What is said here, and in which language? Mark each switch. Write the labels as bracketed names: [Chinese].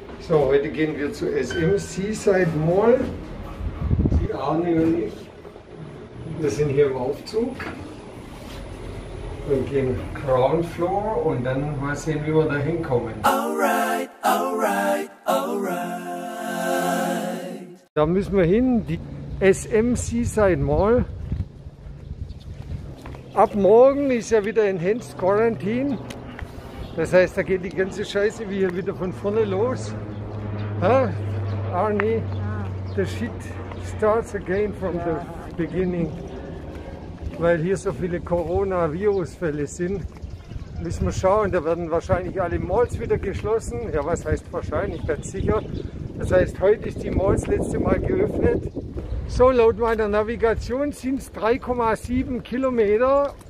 [German] So, heute gehen wir zu SM Seaside Mall. Die Arne und ich, wir sind hier im Aufzug. Wir gehen Ground Floor und dann mal sehen, wie wir da hinkommen. [English] Alright, alright, alright. [German] Da müssen wir hin, die SM Seaside Mall. Ab morgen ist ja wieder Enhanced Quarantine. Das heißt, da geht die ganze Scheiße wie hier wieder von vorne los. Huh? Arnie, ja. [English] The shit starts again from the beginning. [German] Weil hier so viele Coronavirus-Fälle sind, müssen wir schauen. Da werden wahrscheinlich alle Malls wieder geschlossen. Ja, was heißt wahrscheinlich? Ganz sicher. Das heißt, heute ist die Malls letzte Mal geöffnet. So, laut meiner Navigation sind es 3,7 Kilometer.